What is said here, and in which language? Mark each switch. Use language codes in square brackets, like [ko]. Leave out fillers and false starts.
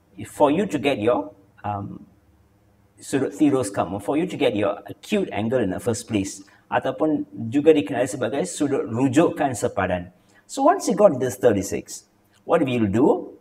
[en] For you to get your [ms] sudut tirus kamu, [en] for you to get your acute angle in the first place. [ms] Ataupun juga dikenali sebagai sudut rujukan sepadan. [en] So once you got this 36, what we'll do?